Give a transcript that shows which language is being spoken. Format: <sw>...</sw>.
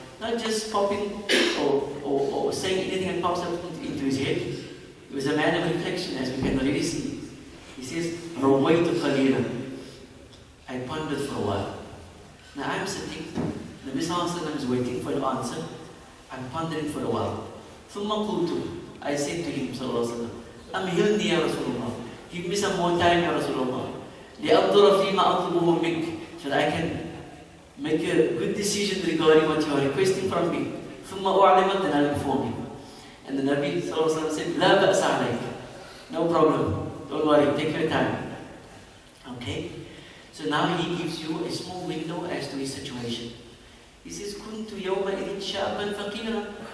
<en>Not just popping or saying anything that pops up into his head. He was a man of reflection, as we can already see. He says,</en> <ar>Rawaytu khalila.</ar> <en>I pondered for a while. Now I'm sitting, the Messenger is waiting for the answer. I'm pondering for a while.</en> <ar>ثُمَّ قُلْتُ.</ar> <en>I said to him,</en> <ar>صلى الله عليه وسلم, أَمْهِلْنِي يَا رَسُولُ اللَّهِ.</ar> <en>Give me some more time,</en> <ar>يَا رَسُولُ اللَّهِ. لِأَبْضُرَ فِي مَا أَطْلُبُهُ مِنْكَ.</ar> <en>So that I can make a good decision regarding what you are requesting from me.</en> <ar>ثُمَّ أُعْلِمَتْ.</ar> <en>Then I'll inform you. And the Nabi صلى الله عليه وسلم said,</en> <ar>لَا بَأْسَ عَلَيْكَ.</ar> <en>No problem. Don't worry. Take your time. Okay? So now he gives you a small window as to his situation. He says,</en> <ar>كُنْتُ يَوْمَ إِذِنْ شَابًا فَقِيرًا.</ar>